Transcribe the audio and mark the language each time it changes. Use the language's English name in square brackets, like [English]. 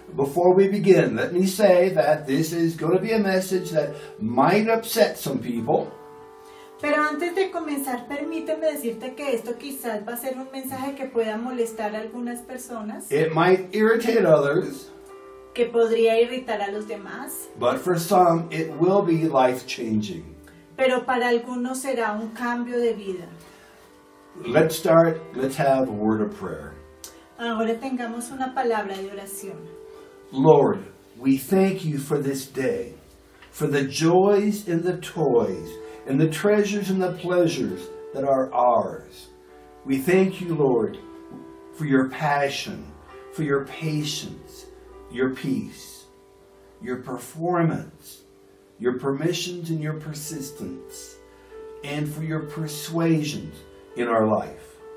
[English] Before we begin, let me say that this is going to be a message that might upset some people. [Spanish] Pero antes de comenzar, permíteme decirte que esto quizás va a ser un mensaje que pueda molestar a algunas personas. [English] It might irritate others. [Spanish] Que podría irritar a los demás. [English] But for some, it will be life-changing. [Spanish] Pero para algunos será un cambio de vida. [English] Let's start. Let's have a word of prayer. [Spanish] Ahora tengamos una palabra de oración. [English] Lord, we thank you for this day, for the joys and the toys, and the treasures and the pleasures that are ours. We thank you, Lord, for your passion, for your patience, your peace, your performance, your permissions and your persistence, and for your persuasions in our life.